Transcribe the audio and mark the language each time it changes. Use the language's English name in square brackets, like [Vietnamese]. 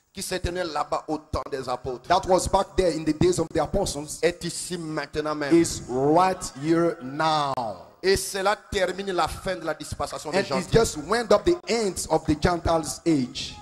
[French] Qui s'éteignait là-bas au temps des apôtres. [English] That was back there in the days of the apostles. [French] Est ici maintenant même. [English] Is right here now. [French] Et cela termine la fin de la dispensation des gentils. [English] And it just wound up the end of the Gentiles' age.